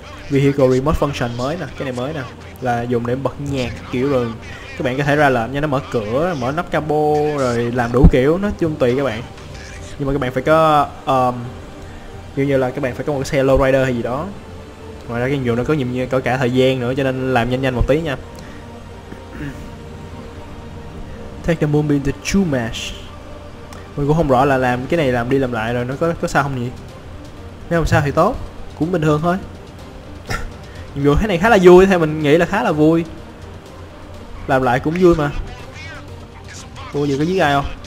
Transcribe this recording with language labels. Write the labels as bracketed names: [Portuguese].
[English] Vehicle remote function [Vietnamese] mới nè, cái này mới nè. Là dùng để bật nhạc kiểu rồi các bạn có thể ra lệnh nha, nó mở cửa, mở nắp capo, rồi làm đủ kiểu, nói chung tùy các bạn. Nhưng mà các bạn phải có như là các bạn phải có một cái xe lowrider hay gì đó. Ngoài ra cái nhiệm vụ nó có nhiệm như có cả thời gian nữa cho nên làm nhanh nhanh một tí nha. [English] Take the moonbeam to Chumash. [Vietnamese] Mình cũng không rõ là làm cái này làm đi làm lại rồi nó có sao không nhỉ. Nếu không sao thì tốt, cũng bình thường thôi. Nhiệm vụ thế này khá là vui, theo mình nghĩ là khá là vui. Làm lại cũng vui mà. Ủa giờ có giết ai không?